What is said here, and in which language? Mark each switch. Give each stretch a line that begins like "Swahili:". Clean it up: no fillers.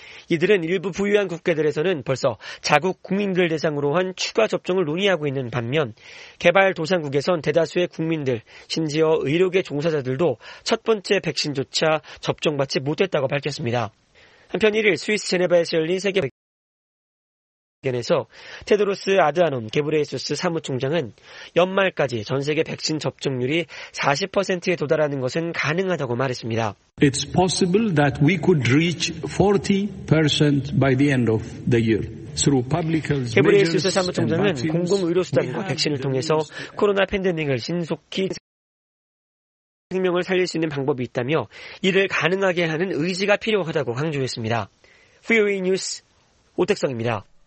Korean: 이들은 일부 부유한 국가들에서는 벌써 자국 국민들 대상으로 한 추가 접종을 논의하고 있는 반면 개발도상국에선 대다수의 국민들, 심지어 의료계 종사자들도 첫 번째 백신조차 접종받지 못했다고 밝혔습니다. 한편 1일 스위스 제네바에서 열린 세계 회견에서 테드로스 아드하놈 게브레이수스 사무총장은 연말까지 전 세계 백신 접종률이 40%에 도달하는 것은 가능하다고 말했습니다.
English: It's possible that we could reach 40% by the end of the year.
Korean: 게브레이수스 사무총장은 공공 의료 수단과 백신을 통해서 코로나 팬데믹을 신속히 생명을 살릴 수 있는 방법이 있다며 이를 가능하게 하는 의지가 필요하다고 강조했습니다. VOA 뉴스 오택성입니다.